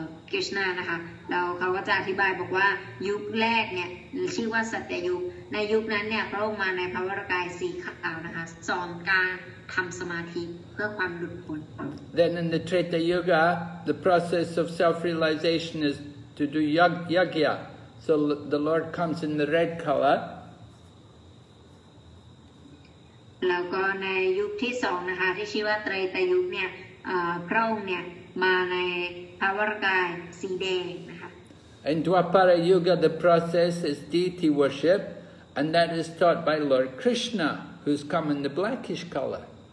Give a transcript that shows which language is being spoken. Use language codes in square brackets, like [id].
[th] Krishna นะคะแล้วเขาก็จะอธิบายบอกว่ายุคแรกเนี่ยชื่อว่าสัตยุคในยุคนั้นเนี่ยพระองค์มาในพระวรกายสีขาวนะคะสอนการทำสมาธิเพื่อความหลุดพ้น [en] Then in the Treta Yuga the process of self-realization is to do yagya so the Lord comes in the red color [th] แล้วก็ในยุคที่สองนะคะที่ชื่อว่าเตรตยุคเนี่ยพระองค์เนี่ยมาใน [en] In Dwapara Yuga, the process is deity worship, and that is taught by Lord Krishna, who's come in the blackish color.